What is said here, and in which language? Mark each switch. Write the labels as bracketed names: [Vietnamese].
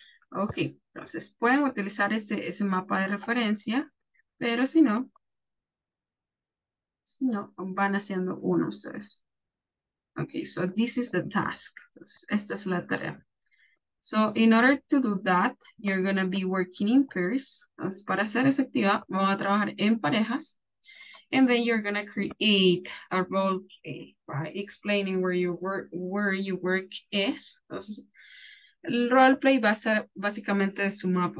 [Spanish] Ok, entonces pueden utilizar ese mapa de referencia, pero si no, van haciendo uno ustedes. [English] Okay, so this is the task. [Spanish] Esta es la tarea. [English] So in order to do that, you're going to be working in pairs. [Spanish] Entonces, para hacer esa actividad, vamos a trabajar en parejas. [English] And then you're going to create a role play, right? Explaining where your work is. [Spanish] Entonces, el role play va a ser básicamente de su mapa.